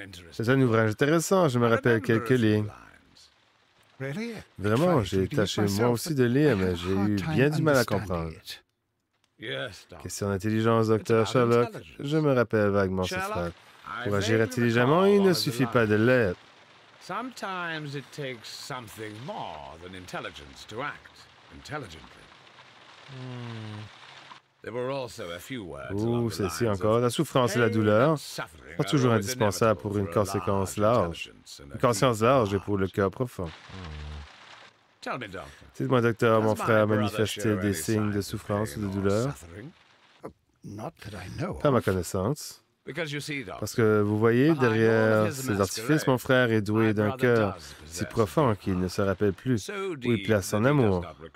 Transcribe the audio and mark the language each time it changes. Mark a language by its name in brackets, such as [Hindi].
[French] C'est un ouvrage intéressant, je me rappelle quelques lignes. Vraiment, j'ai tâché moi aussi de lire, mais j'ai eu bien du mal à comprendre. Question d'intelligence, docteur Sherlock. Je me rappelle vaguement cette phrase. Pour agir intelligemment, il ne suffit pas de l'être. [English] Sometimes it takes something more than intelligence to act intelligently. [French] Ouh, celle-ci encore. La souffrance et la douleur sont toujours indispensables pour une conséquence large. Une conscience large et pour le cœur profond. Dites-moi, docteur, mon frère a manifesté des signes de souffrance ou de douleur? Pas à ma connaissance. Parce que vous voyez, derrière ces artifices, mon frère est doué d'un cœur si profond qu'il ne se rappelle plus où il place son amour.